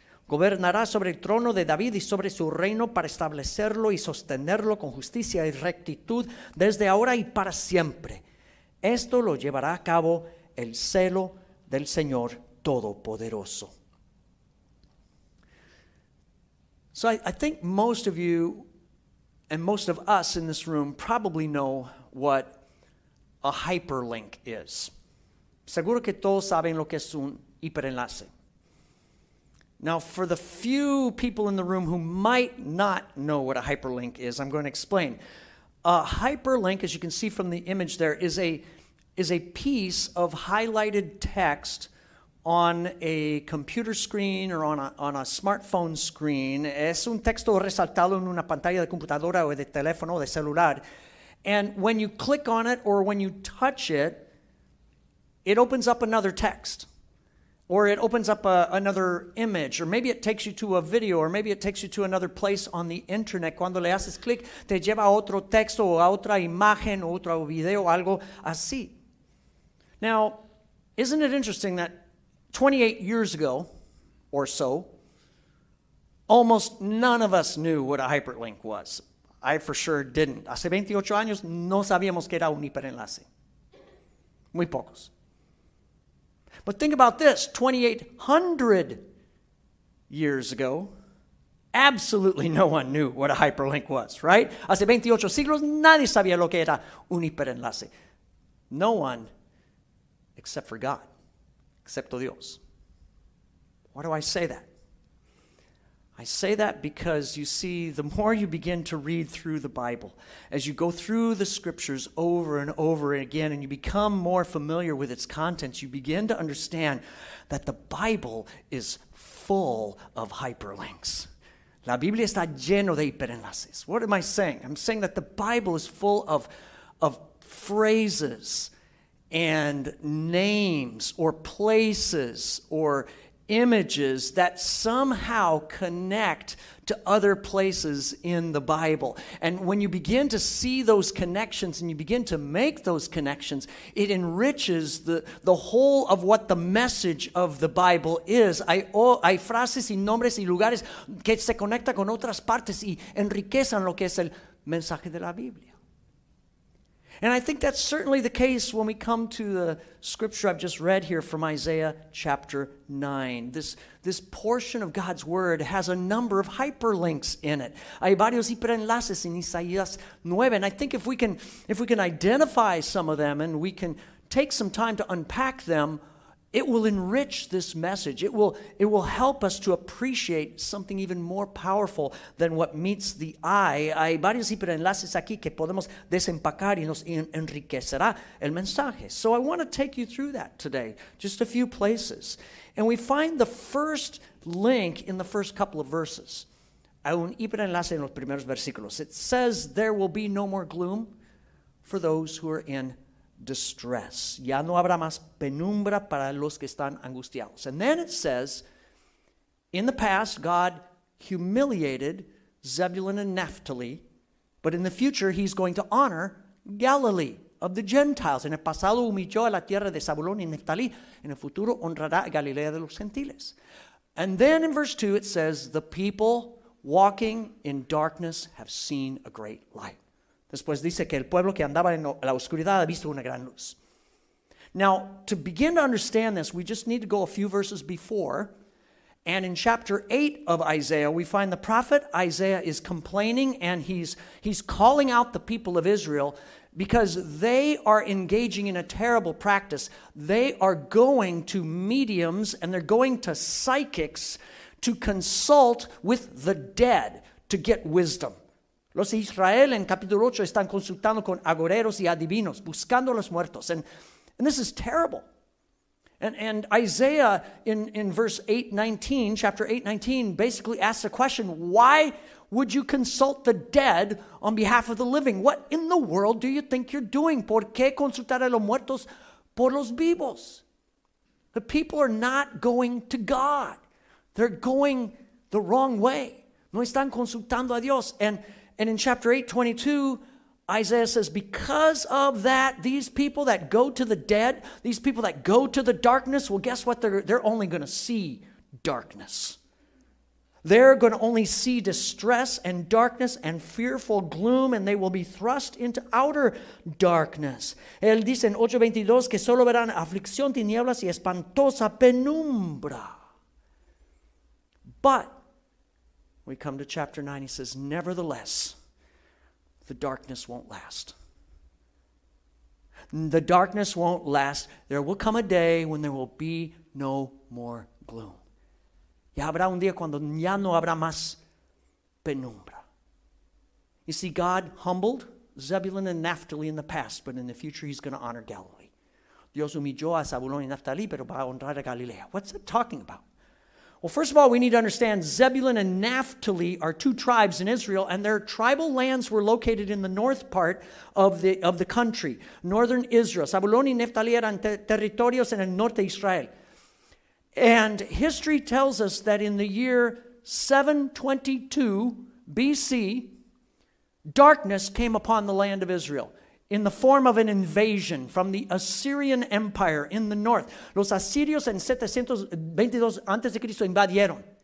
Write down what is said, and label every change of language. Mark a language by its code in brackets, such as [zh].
[es] Gobernará sobre el trono de David y sobre su reino para establecerlo y sostenerlo con justicia y rectitud desde ahora y para siempre. Esto lo llevará a cabo el celo del Señor Todopoderoso. [en] So I think most of you and most of us in this room probably know what a hyperlink is. [es] Seguro que todos saben lo que es un hiperenlace. [en] Now, for the few people in the room who might not know what a hyperlink is, I'm going to explain. A hyperlink, as you can see from the image there, is a piece of highlighted text on a computer screen or on a smartphone screen. [es] Es un texto resaltado en una pantalla de computadora o de teléfono o de celular. [en] And when you click on it or when you touch it, it opens up another text. Or it opens up another image. Or maybe it takes you to a video. Or maybe it takes you to another place on the internet. [es] Cuando le haces clic, te lleva a otro texto o a otra imagen o otro video, algo así. [en] Now, isn't it interesting that 28 years ago or so, almost none of us knew what a hyperlink was. I for sure didn't. [es] Hace 28 años, no sabíamos que era un hiperenlace. Muy pocos. [en] But think about this, 2,800 years ago, absolutely no one knew what a hyperlink was, right? [es] Hace 28 siglos, nadie sabía lo que era un hiperenlace. [en] No one, except for God, [es] excepto Dios. [en] Why do I say that? I say that because, you see, the more you begin to read through the Bible, as you go through the scriptures over and over again, and you become more familiar with its contents, you begin to understand that the Bible is full of hyperlinks. [es] La Biblia está lleno de hiperenlaces. [en] What am I saying? I'm saying that the Bible is full of phrases and names or places or images that somehow connect to other places in the Bible. And when you begin to see those connections and you begin to make those connections, it enriches the whole of what the message of the Bible is. [es] Hay frases y nombres y lugares que se conectan con otras partes y enriquecen lo que es el mensaje de la Biblia. [en] And I think that's certainly the case when we come to the scripture I've just read here from Isaiah chapter 9. This portion of God's word has a number of hyperlinks in it. [es] Hay varios hiperenlaces en Isaías 9. [en] And I think if we can identify some of them and we can take some time to unpack them, it will enrich this message. It will help us to appreciate something even more powerful than what meets the eye. [es] Hay varios hiperenlaces aquí que podemos desempacar y nos enriquecerá el mensaje. [en] So I want to take you through that today, just a few places. And we find the first link in the first couple of verses. [es] Hay un hiperenlace en los primeros versículos. [en] It says, there will be no more gloom for those who are in distress. [es] Ya no habrá más penumbra para los que están angustiados. [en] And then it says, in the past, God humiliated Zebulun and Naphtali, but in the future, he's going to honor Galilee of the Gentiles. [es] En el pasado humilló a la tierra de Zebulun y Naphtali, en el futuro honrará a Galilea de los Gentiles. [en] And then in verse 2, it says, the people walking in darkness have seen a great light. [es] Después dice que el pueblo que andaba en la oscuridad ha visto una gran luz. [en] Now, to begin to understand this, we just need to go a few verses before. And in chapter 8 of Isaiah, we find the prophet Isaiah is complaining and he's calling out the people of Israel because they are engaging in a terrible practice. They are going to mediums and they're going to psychics to consult with the dead to get wisdom. [es] Los Israel en capítulo 8 están consultando con agoreros y adivinos, buscando a los muertos. [en] And this is terrible. And Isaiah in verse 8:19, chapter 8:19, basically asks the question, why would you consult the dead on behalf of the living? What in the world do you think you're doing? [es] ¿Por qué consultar a los muertos por los vivos? [en] The people are not going to God. They're going the wrong way. [es] No están consultando a Dios. [en] And in chapter 8:22, Isaiah says, because of that, these people that go to the dead, these people that go to the darkness, well, guess what? They're only going to see darkness. They're going to only see distress and darkness and fearful gloom, and they will be thrust into outer darkness. [es] Él dice en 8:22 que solo verán aflicción, tinieblas y espantosa penumbra. [en] But we come to chapter 9, he says, nevertheless, the darkness won't last. The darkness won't last. There will come a day when there will be no more gloom. [es] Ya habrá un día cuando ya no habrá más penumbra. [en] You see, God humbled Zebulun and Naphtali in the past, but in the future, he's going to honor Galilee. [es] Dios humilló a Zebulun y Naphtali, pero va a honrar a Galilea. [en] What's that talking about? Well, first of all, we need to understand Zebulun and Naphtali are two tribes in Israel, and their tribal lands were located in the north part of the country, northern Israel. [es] Zebulun y Naphtali eran territorios en el norte de Israel. [en] And history tells us that in the year 722 BC, darkness came upon the land of Israel in the form of an invasion from the Assyrian Empire in the north. [es] Los asirios en 722 antes de Cristo invadieron.